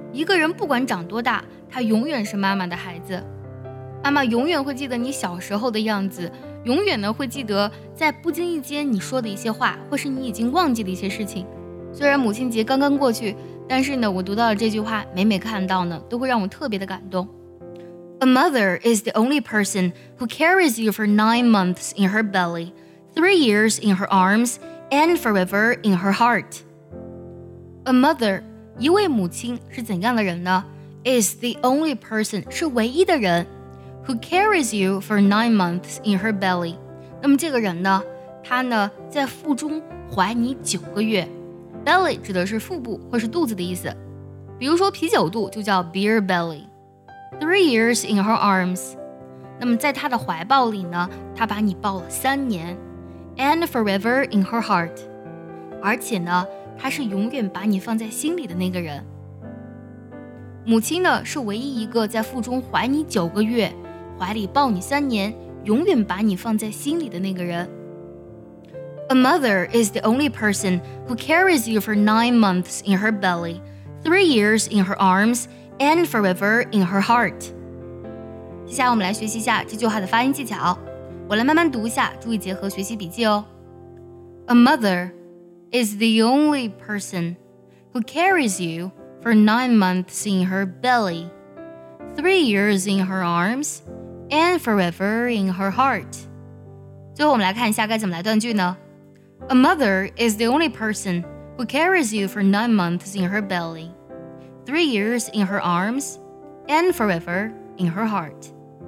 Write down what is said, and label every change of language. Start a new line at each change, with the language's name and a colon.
Chinese: 一个人不管长多大，他永远是妈妈的孩子，妈妈永远会记得你小时候的样子，永远呢会记得在不经意间你说的一些话，或是你已经忘记的一些事情。虽然母亲节刚刚过去，但是呢我读到了这句话，每每看到呢都会让我特别的感动。
English: A mother is the only person who carries you for 9 months in her belly, 3 years in her armsAnd forever in her heart. A mother,
Chinese: 一位母亲是怎样的人呢？
English: Is the only person,
Chinese: 是唯一的人，
English: who carries you for 9 months in her belly.
Chinese: 那么这个人呢，他呢在腹中怀你9个月。 Belly 指的是腹部或是肚子的意思，比如说啤酒肚就叫 beer belly.
English: 3 years in her arms.
Chinese: 那么在他的怀抱里呢，他把你抱了3年。
English: And forever in her heart.
Chinese: 而且呢，她是永远把你放在心里的那个人。母亲呢，是唯一一个在腹中怀你9个月，怀里抱你3年，永远把你放在心里的那个人。
English: A mother is the only person who carries you for 9 months in her belly, 3 years in her arms, and forever in her heart.
Chinese: 接下来我们来学习一下这句话的发音技巧。我来慢慢读一下，注意结合学习笔记哦。
English: A mother is the only person who carries you for 9 months in her belly, 3 years in her arms, and forever in her heart.
Chinese: 最后我们来看一下该怎么来断句呢？
English: A mother is the only person who carries you for 9 months in her belly, 3 years in her arms, and forever in her heart.